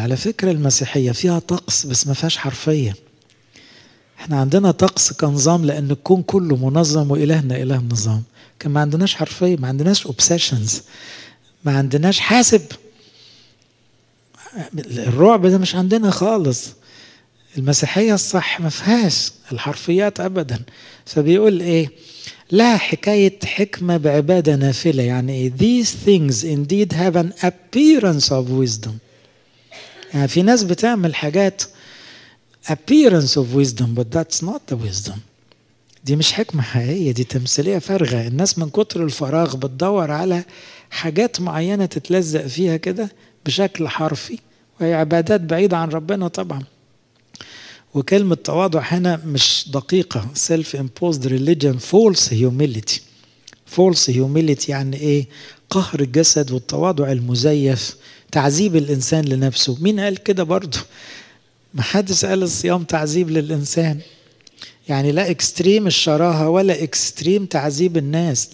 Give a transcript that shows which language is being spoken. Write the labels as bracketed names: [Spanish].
[Arabic] على فكرة المسيحية فيها طقس بس ما فيهاش حرفية. احنا عندنا طقس كنظام لان الكون كله منظم وإلهنا إله النظام، كان ما عندناش حرفية، ما عندناش obsessions، ما عندناش حاسب، الرعب ده مش عندنا خالص. المسيحية الصح ما فيهاش الحرفيات أبدا. فبيقول إيه؟ لا حكاية حكمة بعبادة نافلة. يعني إيه؟ [English] These things indeed have an appearance of wisdom. [Arabic] يعني في ناس بتعمل حاجات [English] appearance of wisdom but that's not the wisdom. [Arabic] دي مش حكمة حقيقية، دي تمثيلية فارغة. الناس من كتر الفراغ بتدور على حاجات معينة تتلزق فيها كده بشكل حرفي، وهي عبادات بعيدة عن ربنا طبعا. وكلمة تواضع هنا مش دقيقة. [English] Self-imposed religion, false humility. False humility [Arabic] يعني ايه؟ قهر الجسد والتواضع المزيف، تعذيب الإنسان لنفسه. مين قال كده برضو؟ محدش قال الصيام تعذيب للإنسان. يعني لا إكستريم الشراهة ولا إكستريم تعذيب الناس.